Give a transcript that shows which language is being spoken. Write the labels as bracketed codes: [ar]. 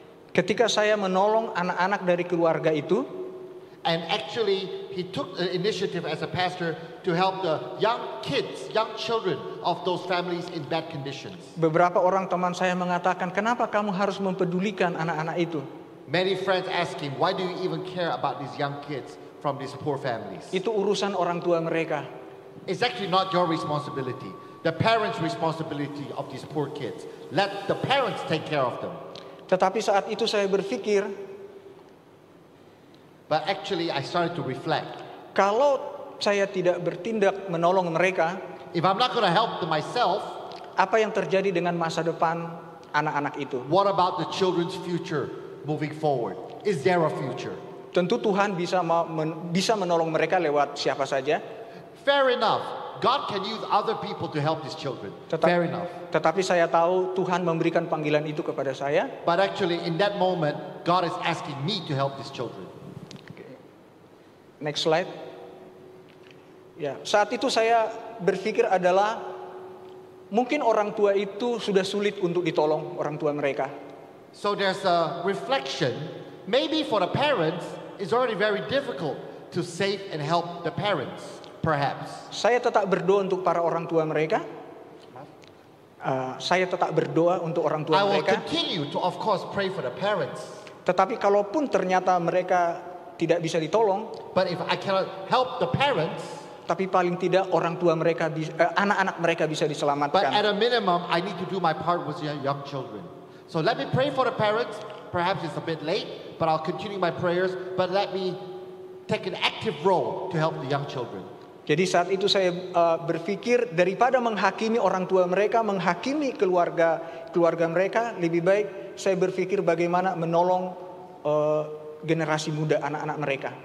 [id] Ketika saya menolong anak-anak dari keluarga itu, [en] and actually he took the initiative as a pastor to help the young children of those families in bad conditions. [id] Beberapa orang teman saya mengatakan, kenapa kamu harus mempedulikan anak-anak itu? [en] Many friends asked him, why do you even care about these young kids from these poor families? [id] Itu urusan orang tua mereka. [en] It's actually not your responsibility. The parents' responsibility of these poor kids. Let the parents take care of them. [id] Tetapi saat itu saya berpikir, [en] but actually I started to reflect. [id] Kalau saya tidak bertindak menolong mereka, [en] if I'm not going to help them myself, [id] apa yang terjadi dengan masa depan anak-anak itu? [en] What about the children's future moving forward? Is there a future? [id] Tentu Tuhan bisa menolong mereka lewat siapa saja. [en] Fair enough. God can use other people to help his children. Fair enough. [id] Tetapi saya tahu Tuhan memberikan panggilan itu kepada saya. [en] But actually in that moment God is asking me to help these children. Okay. Next slide. [id] Ya, saat itu saya berpikir adalah mungkin orang tua itu sudah sulit untuk ditolong, orang tua mereka. [en] So there's a reflection, maybe for the parents it's already very difficult to save and help the parents. Perhaps. [id] Saya tetap berdoa untuk para orang tua mereka. Saya tetap berdoa untuk orang tua mereka. [en] I will continue to, of course, pray for the parents. [id] Tetapi kalaupun ternyata mereka tidak bisa ditolong, [en] but if I cannot help the parents, [id] tapi paling tidak orang tua mereka, anak-anak mereka bisa diselamatkan. [en] But at a minimum, I need to do my part with the young children. So let me pray for the parents. Perhaps it's a bit late, but I'll continue my prayers. But let me take an active role to help the young children. [id] Jadi saat itu saya berpikir daripada menghakimi orang tua mereka, menghakimi keluarga mereka, lebih baik saya berpikir bagaimana menolong generasi muda, anak-anak mereka.